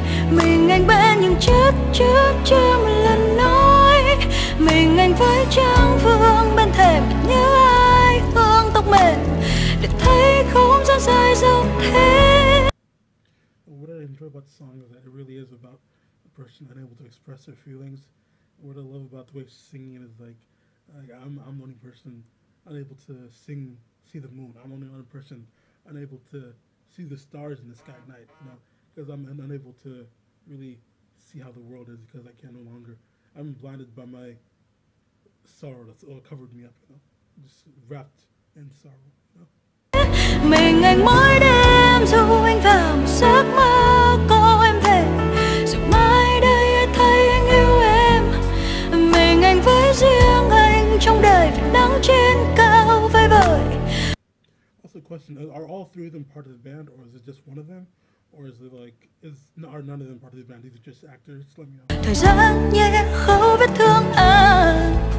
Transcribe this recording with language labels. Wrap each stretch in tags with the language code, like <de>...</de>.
<vi>Mình anh bên những chiếc chiếc chưa một lần nói. Mình anh với trang phương bên thềm như ai hương tóc mềm để thấy không gian dài giống thế.</vi> <en>What I enjoy about the song is that it really is about a person unable to express their feelings. What I love about the way singing it is like I'm the only person unable to see the moon. I'm the only other person unable to see the stars in the sky at night, you know, because I'm unable to really see how the world is because I can no longer. I'm blinded by my sorrow that's all covered me up, you know? Just wrapped in sorrow, you know?</en> <vi>Mình anh mỗi đêm dù anh vào một giấc mơ có em về. Dù mai đây anh thấy anh yêu em. Mình anh với riêng anh trong đời vẫn nắng trên cao vây vời.</vi> <en>Also a question, are all three of them part of the band or is it just one of them? Or is it like, are none of them part of the band? These are just actors? Let me know.</en> <vi>Thời gian nhé khâu vết thương anh.</vi>